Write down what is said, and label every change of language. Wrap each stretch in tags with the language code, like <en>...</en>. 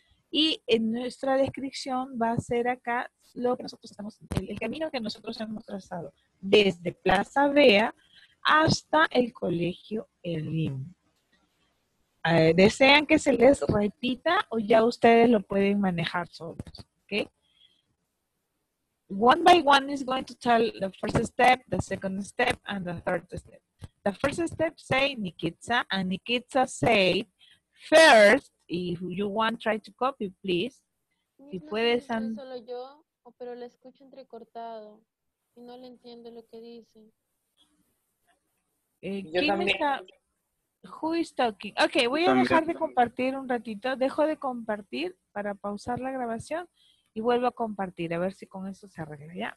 <es>Y en nuestra descripción va a ser acá lo que nosotros estamos, el camino que nosotros hemos trazado desde Plaza Vea hasta el colegio Elim. ¿Desean que se les repita o ya ustedes lo pueden manejar solos?</es> <en>Okay. One by one is going to tell the first step, the second step, and the third step. The first step, say Nikitsa, and Nikitsa say first, if you want, try to copy, please.</en> <es>Si puedes, solo yo, pero la escucho entrecortado y no le entiendo lo que dice. Yo también.</es> <en>Who is talking?</en> <es>Okay, voy a dejar de compartir un ratito. Dejo de compartir para pausar la grabación y vuelvo a compartir, a ver si con eso se arregla, ¿ya?</es>